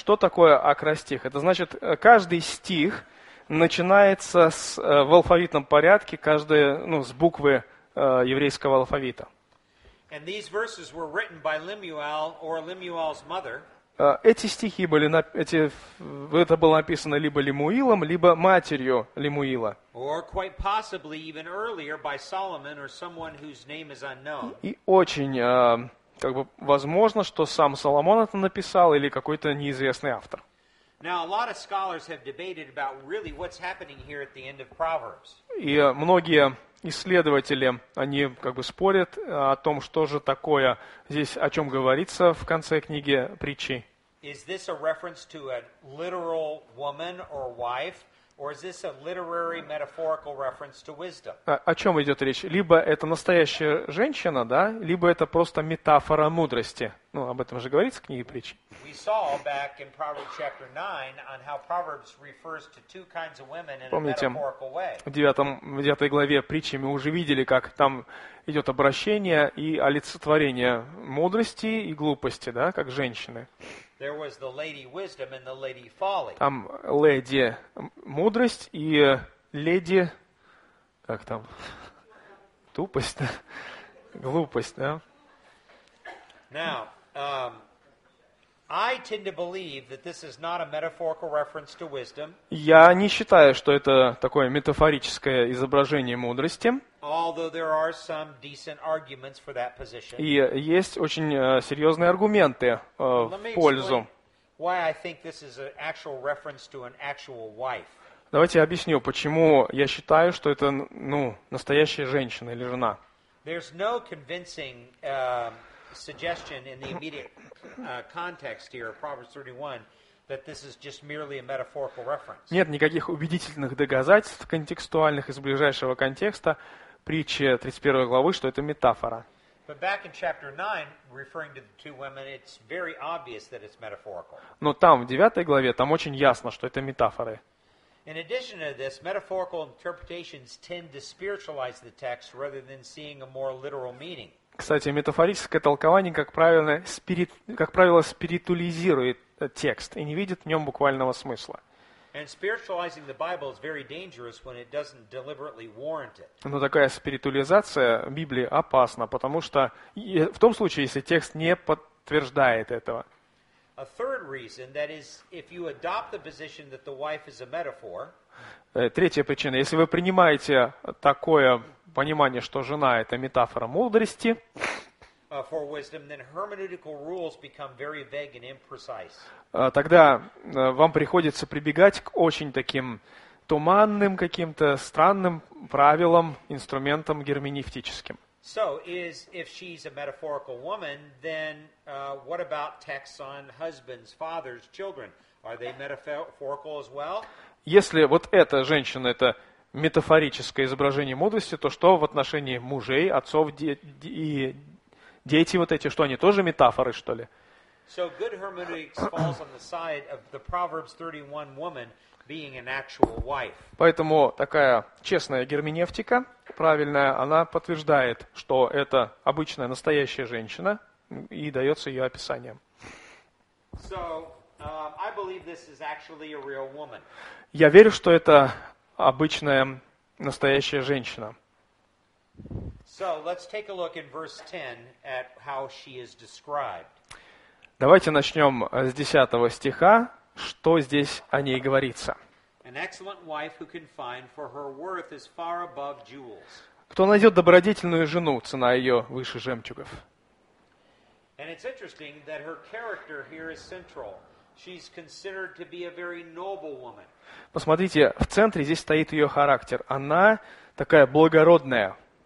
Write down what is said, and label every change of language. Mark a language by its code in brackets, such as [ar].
[ru] Что такое акростих? Это значит, каждый стих начинается с, в алфавитном порядке, каждая, ну, с буквы еврейского алфавита. [en] And these verses were written by Lemuel or Lemuel's mother. [ru] Эти стихи были это было написано либо Лемуилом, либо матерью Лемуила. [en] Or quite possibly even earlier by Solomon or someone whose name is unknown. [ru] И очень как бы возможно, что сам Соломон это написал или какой-то неизвестный автор. [en] Now, a lot of scholars have debated about really what's happening here at the end of Proverbs. [ru] И многие исследователи, они как бы спорят о том, что же такое здесь, о чем говорится в конце книги Притчи. [en] Is this a reference to a literal woman or wife? Or is this a literary metaphorical reference to wisdom? [ru] О чем идет речь? Либо это настоящая женщина, да, либо это просто метафора мудрости. Ну, об этом же говорится в книге Притч. [en] We saw back in Proverbs chapter 9 on how Proverbs refers to two kinds of women in a metaphorical way. [ru] Помните, в девятой главе Притчи мы уже видели, как там идет обращение и олицетворение мудрости и глупости, да, как женщины. [en] There was the lady wisdom and the lady folly. [ru] Там леди мудрость и леди как там тупость, да? Глупость, да? [en] Now, I tend to believe that this is not a metaphorical reference to wisdom. [ru] Я не считаю, что это такое метафорическое изображение мудрости. [en] Although there are some decent arguments for that position. [ru] И есть очень серьезные аргументы в пользу. [en] Why I think this is an actual reference to an actual wife. [ru] Давайте я объясню, почему я считаю, что это, ну, настоящая женщина или жена. [en] There's no convincing suggestion in the immediate context here, Proverbs 31, that this is just merely a metaphorical reference. [ru] Нет никаких убедительных доказательств контекстуальных из ближайшего контекста притчи 31 главы, что это метафора. [en] But back in chapter 9, referring to the two women, it's very obvious that it's metaphorical. [ru] Но там, в 9 главе, там очень ясно, что это метафоры. [en] In addition to this, metaphorical interpretations tend to spiritualize the text rather than seeing a more literal meaning. [ru] Кстати, метафорическое толкование, как правило, спиритуализирует текст и не видит в нем буквального смысла. [en] And spiritualizing the Bible is very dangerous when it doesn't deliberately warrant it. [ru] Но такая спиритуализация Библии опасна, потому что в том случае, если текст не подтверждает этого. [en] A third reason, that is, if you adopt the position that the wife is a metaphor. [ru] Третья причина, если вы принимаете такое понимание, что жена это метафора мудрости. [en] For wisdom, then hermeneutical rules become very vague and imprecise. [ru] Тогда вам приходится прибегать к очень таким туманным, каким-то странным правилам, инструментам герменевтическим. [en] So, if she's a metaphorical woman, then what about texts on husbands, fathers, children? Are they metaphorical as well? [ru] Если вот эта женщина, это метафорическое изображение мудрости, то что в отношении мужей, отцов и дети вот эти, что они тоже метафоры, что ли? [en] So good hermeneutics falls on the side of the Proverbs 31 woman being an actual wife. [ru] Поэтому такая честная герменевтика, правильная, она подтверждает, что это обычная настоящая женщина и дается ее описанием. [en] So, I believe this is actually a real woman. [ru] Я верю, что это обычная настоящая женщина. [en] So, let's take a look in verse 10 at how she is described. [ru] Давайте начнем с 10 стиха, что здесь о ней говорится. [en] An excellent wife who can find, for her worth is far above jewels. [ru] Кто найдет добродетельную жену, цена ее выше жемчугов. [en] And it's interesting that her character here is central. She's considered to be a very noble woman. [ru] Посмотрите, в центре здесь стоит ее характер. Она такая благородная.